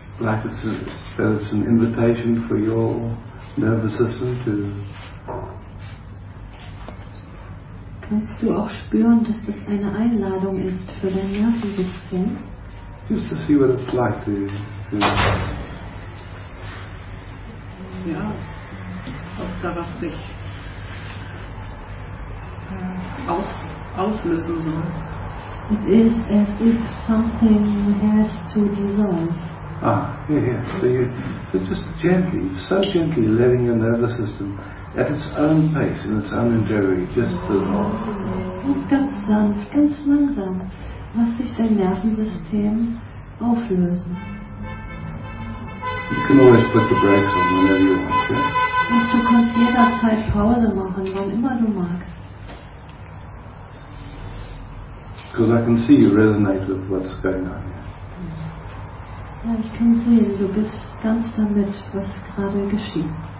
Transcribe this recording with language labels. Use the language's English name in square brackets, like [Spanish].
[English] Like it's a, that it's an invitation for your nervous system to... [German] Kannst du auch spüren, dass das eine Einladung ist für dein Nervensystem? [English] Just to see what it's like to... [German] Ja, [English] yes. [German] Ob da was sich auslösen soll. [English] It is as if something has to dissolve. Ah, yeah, yeah. So you, but just gently, so gently letting your nervous system at its own pace, in its own injury, just dissolve. [German] Ganz sanft, ganz langsam, lass sich dein Nervensystem auflösen. [English] You can always put the brakes on whenever you want, yeah? [German] Und du kannst jederzeit Pause machen, wann immer du magst. [English] Because I can see you resonate with what's going on here. [German] Ja, ich kann sehen, du bist ganz damit, was gerade geschieht.